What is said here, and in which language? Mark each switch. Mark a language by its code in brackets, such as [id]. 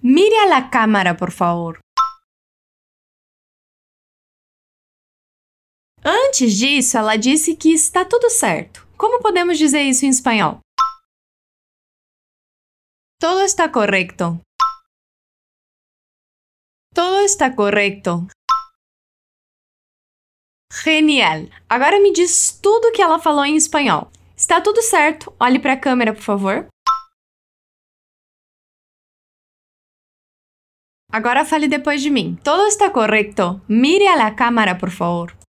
[es] Mire a la cámara, por favor. [pt] Antes disso, ela disse que está tudo certo. Como podemos dizer isso em espanhol? [es] Todo está correcto. Todo está correcto. Genial! [pt] Agora me diz tudo o que ela falou em espanhol. Está tudo certo? Olhe para a câmera, por favor. Agora fale depois de mim. [es] Todo está correto. Mire a la cámara, por favor.